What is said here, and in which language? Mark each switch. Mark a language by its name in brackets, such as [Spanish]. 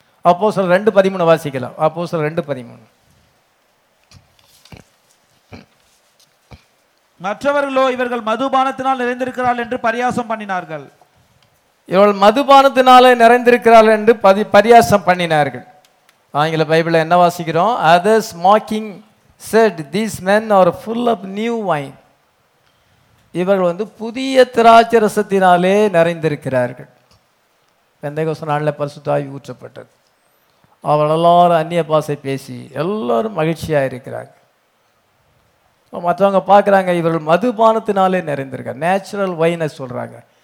[Tamil] அப்போஸ்தலர் 2:13 வாசிக்கலாம். அப்போஸ்தலர் 2:13. மற்றவர்களோ இவர்கள் மதுபானத்தினால் நிறைந்திருக்கிறார்கள் என்று பரியாசம் பண்ணினார்கள். இவர்கள் மதுபானத்தினாலே நிறைந்திருக்கிறார்கள் என்று பரியாசம் பண்ணினார்கள். ஆங்கில பைபிளில் என்ன வாசிக்கிறோம்? [English] Others mocking said these men are full of new wine. [Tamil] இவர்கள் வந்து புதிய திராட்சை ரசத்தினாலே நிறைந்திருக்கிறார்கள். பெந்தகோஸ்த நாளில் பரிசுத்தாய் ஊற்றப்பட்டது. அவள் எல்லாரும் அந்நிய பாசை பேசி எல்லோரும் மகிழ்ச்சியாக இருக்கிறாங்க. மற்றவங்க பார்க்குறாங்க, இவர்கள் மதுபானத்தினாலே நிறைந்திருக்காங்க. நேச்சுரல் வைனை சொல்கிறாங்க.